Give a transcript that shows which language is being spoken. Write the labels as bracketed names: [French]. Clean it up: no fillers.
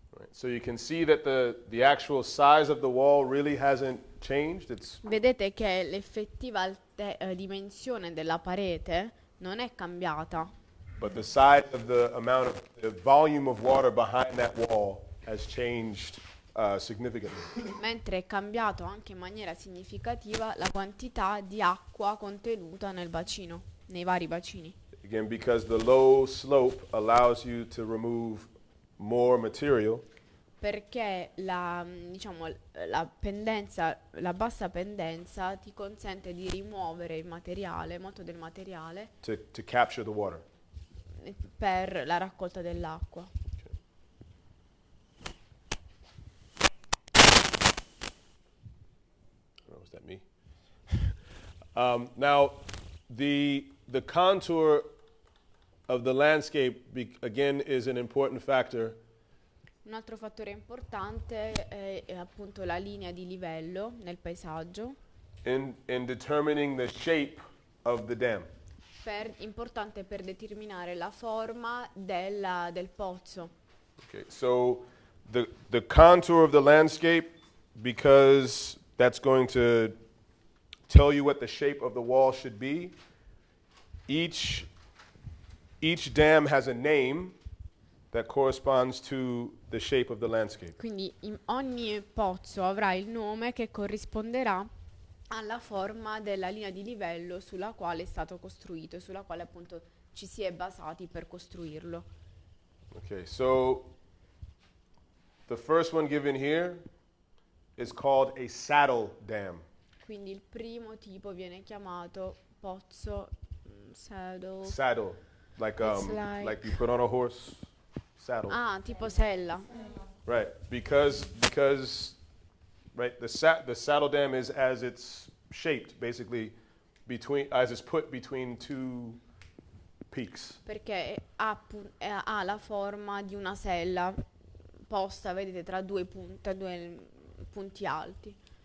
[English] So you can see that the actual size of the wall really hasn't changed. It's [Italian] vedete che l'effettiva dimensione della parete non è cambiata. [English] But the size of the amount of the volume of water behind that wall has changed significantly. [Italian] Mentre è cambiato anche in maniera significativa la quantità di acqua contenuta nel bacino, nei vari bacini. [English] Again, because the low slope allows you to remove more material. [Italian] Perché la pendenza, la bassa pendenza ti consente di rimuovere il materiale, molto del materiale. [English] To capture the water. [Italian] Per la raccolta dell'acqua. [English] Okay. Oh, was that me? Now, the contour of the landscape again is an important factor. [Italian] Un altro fattore importante è appunto la linea di livello nel paesaggio. [English] In determining the shape of the dam. [Italian] Importante per determinare la forma del pozzo. [English] Okay, so the contour of the landscape, because that's going to tell you what the shape of the wall should be. Each dam has a name that corresponds to the shape of the landscape. [Italian] Quindi ogni pozzo avrà il nome che corrisponderà alla forma della linea di livello sulla quale è stato costruito e sulla quale appunto ci si è basati per costruirlo. [English] Okay, so the first one given here is called a saddle dam. [Italian] Quindi il primo tipo viene chiamato pozzo saddle. [English] Saddle. Like you put on a horse. Saddle. [Italian] Ah, tipo sella. [English] Right, because right, the saddle dam is as it's shaped, basically, between as it's put between two peaks. [Italian] Perché ha la forma di una sella posta, vedete, tra due punti alti.